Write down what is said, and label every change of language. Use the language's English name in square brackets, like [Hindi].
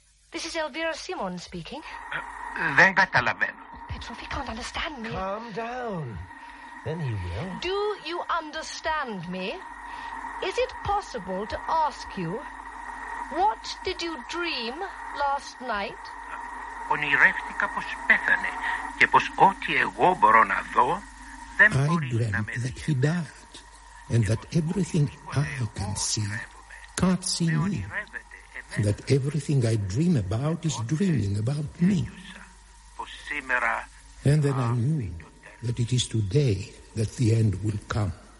[English] This is Elvira Simon speaking. [Spanish] Venga, Talaven. [English] Petrov, he can't understand me. Calm down. Then he will. Do you understand me? Is it possible to ask you, what did you dream last night? [Greek] Ονειρεύτηκα πως πέθανε και πως ό,τι εγώ μπορώ να δω δεν μπορεί να με δει. [English] I dreamt that he died and that everything I can see can't see me. That everything I dream about is dreaming about me. And then I knew that it is today that the end will come.